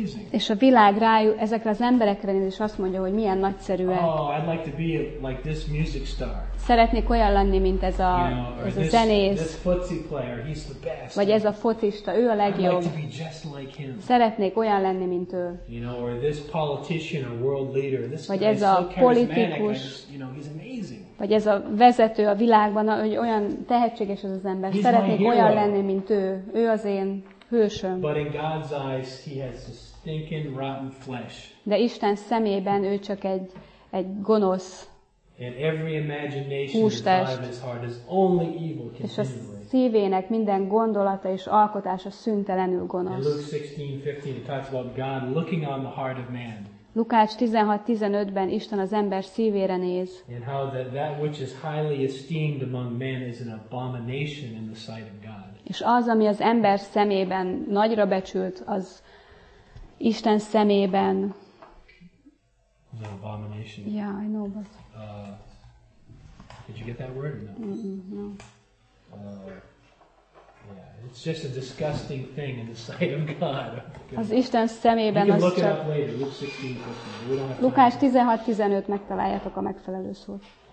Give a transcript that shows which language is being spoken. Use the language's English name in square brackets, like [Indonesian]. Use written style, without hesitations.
[Hungarian] És a világ rájú, ezekre az emberekre néz, és azt mondja, hogy milyen nagyszerűek. [English] Oh, I'd like to be like this music star. [Hungarian] Szeretnék olyan lenni, mint ez a, ez a zenész. [English] This footsie player, he's the best. [Hungarian] Vagy ez a focista, ő a legjobb. [English] I'd like to be just like him. [Hungarian] Szeretnék olyan lenni, mint ő. [English] You know, or this politician or world leader, this [Hungarian] vagy ez a [English] so [Hungarian] politikus. [English] He's amazing. [Hungarian] Vagy ez a vezető a világban, hogy olyan tehetséges ez az ember. [English] He's [Hungarian] szeretnék [English] my hero. [Hungarian] Olyan lenni, mint ő. Ő az én hősöm. [English] But in God's eyes, he has a stinking, rotten flesh. [Hungarian] De Isten szemében ő csak egy gonosz. [English] And every imagination of the mind of his heart is only evil continually. [Hungarian] És a szívének minden gondolata és alkotása szüntelenül gonosz. [English] In Luke 16:15 it talks about God looking on the heart of man. [Hungarian] Lukács 16:15-ben Isten az ember szívére néz. [English] And how that which is highly esteemed among men is an abomination in the sight of God. [Hungarian] És az, ami az ember szemében nagyra becsült, az Isten szemében. [English] Is an abomination. Yeah, I know, but did you get that word? No. Yeah, it's just a disgusting thing in the sight of God. [Hungarian] Az Isten szemében az csak. [English] You can look it up later. Luke 16:15. [Hungarian] Lukács 16:15 megtaláljátok a megfelelő szót.